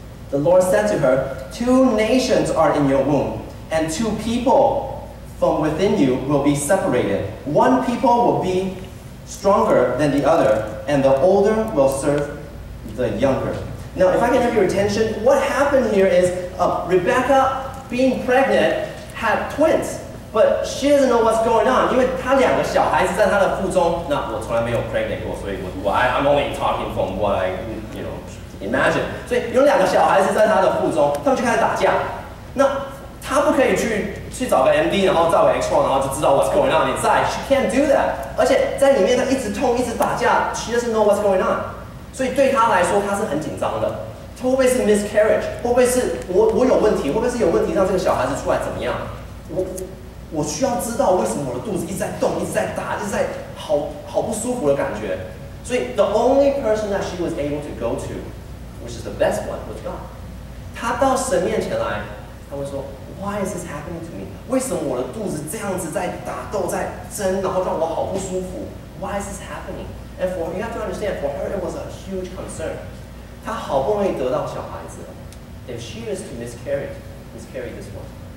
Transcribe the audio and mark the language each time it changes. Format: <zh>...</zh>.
<en>The Lord said to her, two nations are in your womb, and two people from within you will be separated. One people will be stronger than the other, and the older will serve the younger. Now, if I can have your attention, what happened here is Rebecca, being pregnant, had twins. But she doesn't know what's going on.</en> <zh>因为她两个小孩子在她的腹中。那我从来没有 pregnant 过，所以我</zh> <en>I'm only talking from what I imagine.</en> <zh>所以有两个小孩子在她的腹中，他们就开始打架。那她不可以去找个 MD， 然后照个 X 光，然后就知道</zh> <en>what's going on inside. She can't do that.</en> <zh>而且在里面她一直痛，一直打架。</zh> <en>She doesn't know what's going on.</en> <zh>所以对她来说，她是很紧张的。会不会是 miscarriage？会不会是我有问题？会不会是有问题让这个小孩子出来怎么样？我需要知道为什么我的肚子一直在动，一直在打，一直在好不舒服的感觉。</zh> <en>所以 the only person that she was able to go to, which is the best one, was God.</en> <zh>她到神面前来，她会说 ，</zh> <en>Why is this happening to me?</en> <zh>为什么我的肚子这样子在打斗，在争，然后让我好不舒服 ？</zh> <en>Why is this happening? And for you have to understand, for her it was a huge concern.</en> <zh>她好不容易得到小孩子了</zh> <en>，if she is to miscarry this one.</en>